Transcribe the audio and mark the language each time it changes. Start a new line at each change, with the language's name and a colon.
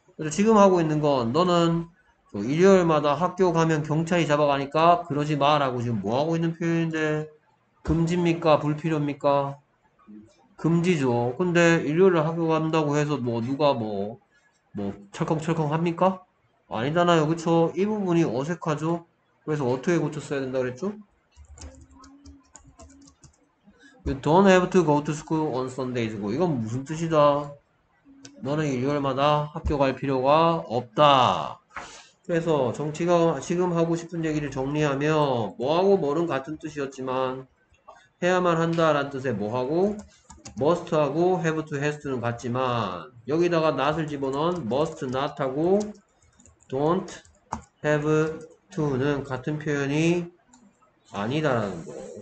Korean: 지금 하고 있는 건 너는 일요일마다 학교 가면 경찰이 잡아가니까 그러지 마라고 지금 뭐 하고 있는 표현인데 금지입니까? 불필요입니까? 금지죠. 근데 일요일에 학교 간다고 해서 뭐 누가 뭐 철컹철컹 합니까? 아니잖아요, 그쵸? 이 부분이 어색하죠? 그래서 어떻게 고쳤어야 된다 그랬죠?
English: You don't have to go to school on Sundays고.
Korean: 이건 무슨 뜻이다? 너는 일요일마다 학교 갈 필요가 없다. 그래서 정치가 지금 하고 싶은 얘기를 정리하면, 뭐하고 뭐는 같은 뜻이었지만, 해야만 한다라는 뜻의 뭐하고, must하고 have to, has to는 같지만, 여기다가 not을 집어넣은 must not하고, Don't have to는 같은 표현이 아니다라는 거.